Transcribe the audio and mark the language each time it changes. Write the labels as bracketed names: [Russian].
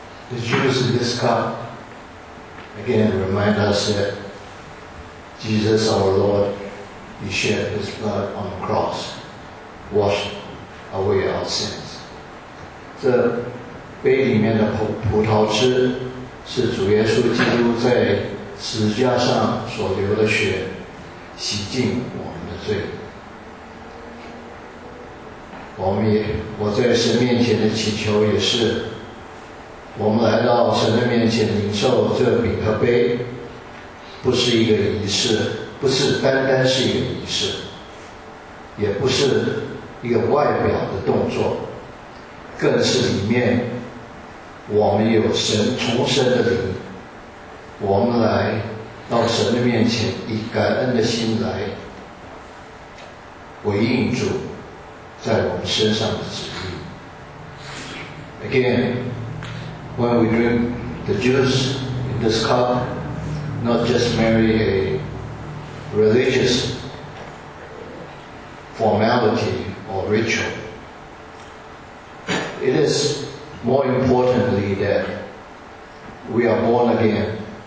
[English] words of this cup again remind us that Jesus our Lord, He shed His blood on the cross, washed away our sins. [Chinese] 这杯里面的葡萄汁是主耶稣基督在十字架上所流的血，洗净我们的罪。我在神面前的祈求也是，我们来到神的面前领受这饼和杯，不是一个仪式，不是单单是一个仪式，也不是一个外表的动作，更是里面我们有神重生的灵，我们来到神的面前以感恩的心来回应主在我们身上的旨意。 [English] Again, when we drink the juice in this cup, not just merely a religious formality or ritual, it is more importantly that we are born again.